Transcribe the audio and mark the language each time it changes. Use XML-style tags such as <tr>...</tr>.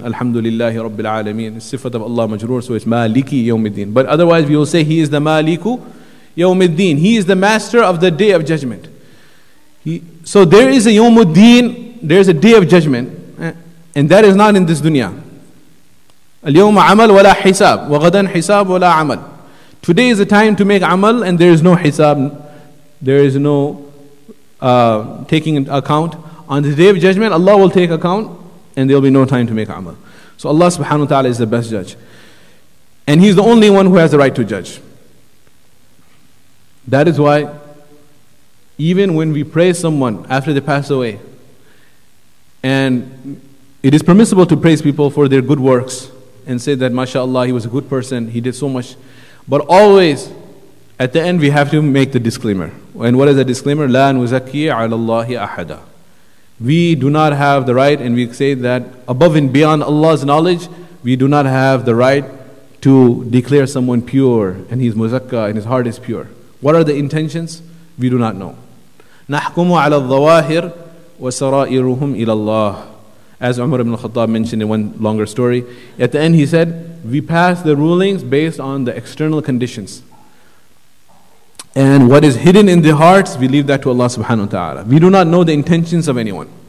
<ar>Alhamdulillahi Rabbil Alameen.</ar> <en>Sifat of Allah Majroor, so it's Maliki Yawmiddin. But otherwise we will say he is the Maliku Yawmiddin. He is the master of the day of judgment. So there is a Yawmuddin, there is a day of judgment, and that is not in this dunya.</en> <ar>اليوم عمل ولا حساب وغدا حساب ولا عمل.</ar> <en>Today is the time to make amal and there is no hisab, there is no taking account. On the day of judgment, Allah will take account and there will be no time to make amal. So Allah subhanahu wa ta'ala is the best judge. And He's the only one who has the right to judge. That is why even when we praise someone after they pass away, and it is permissible to praise people for their good works and say that mashallah, he was a good person, he did so much. But always, at the end, we have to make the disclaimer. And what is the disclaimer?</en> <ar>لا نزكي على الله أحدا.</ar> <en>We do not have the right, and we say that above and beyond Allah's knowledge, we do not have the right to declare someone pure, and he's muzakka, and his heart is pure. What are the intentions? We do not know.</en> <ar>نحكم على الظواهر وسرائرهم إلى الله.</ar> <en>As Umar ibn al-Khattab mentioned in one longer story, at the end he said, we pass the rulings based on the external conditions. And what is hidden in the hearts, we leave that to Allah subhanahu wa ta'ala. We do not know the intentions of anyone.</en>